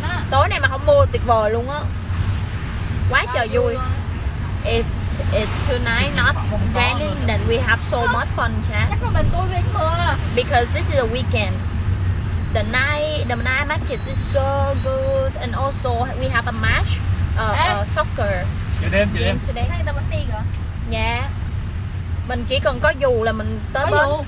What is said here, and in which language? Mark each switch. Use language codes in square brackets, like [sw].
[vi] Tối nay mà không mưa tuyệt vời luôn á. Quá trời vui. [en] It's tonight not raining, then we have so much fun, chat. Because this is a weekend. The night market is so good, and also we have a match, soccer game today. Yeah. [vi] Mình chỉ cần có dù là mình tới bên.